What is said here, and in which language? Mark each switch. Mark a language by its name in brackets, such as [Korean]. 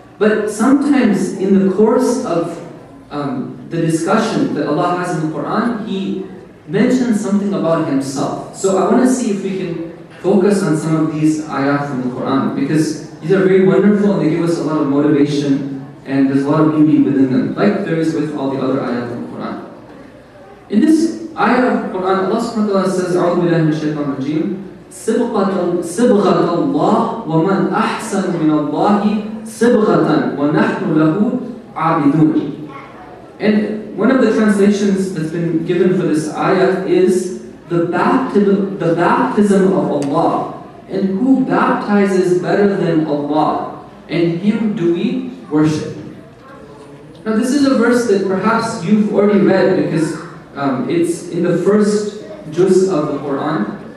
[English] But sometimes in the course of the discussion that Allah has in the Quran, He mentions something about Himself. So I want to see if we can focus on some of these ayat from the Quran, because these are very wonderful and they give us a lot of motivation and there's a lot of beauty within them, like there is with all the other ayat from the Quran. In this ayat of the Quran, Allah subhanahu wa ta'ala says, [Arabic] أعوذ بالله من الشيطان الرجيم, صِبْغَةَ اللَّهِ وَمَنْ أَحْسَنُ مِنَ اللَّهِ صِبْغَةً وَنَحْنُ لَهُ عَابِدُونَ. [English] And one of the translations that's been given for this ayah is the baptism of Allah. And who baptizes better than Allah? And Him do we worship. Now this is a verse that perhaps you've already read because it's in the first juz of the Quran.